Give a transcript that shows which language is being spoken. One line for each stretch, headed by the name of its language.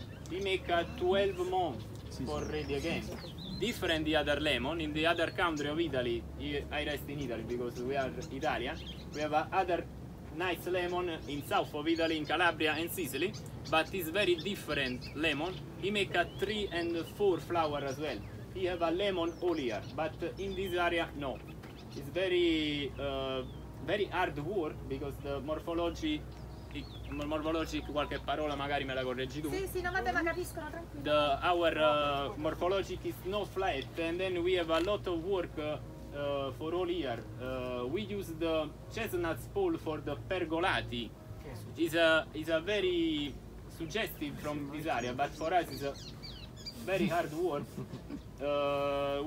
English: We make 12 months for ready again. Different the other lemon, in the other country of Italy, I rest in Italy because we are Italian, we have other nice lemon in south of Italy, in Calabria and Sicily, but it's very different lemon. We make a 3 and 4 flower as well. We have a lemon all year, but in this area, no. It's very very hard work because the morphology.
Italian: Morphologic, qualche parola magari me la correggi tu. Sì, sì, no, vabbè, ma capiscono, tranquillo.
English: The our morphologic is not flat, and then we have a lot of work for all year. We use the chestnut pole for the pergolati. It's a very suggestive from this area, but for us it's a very hard work.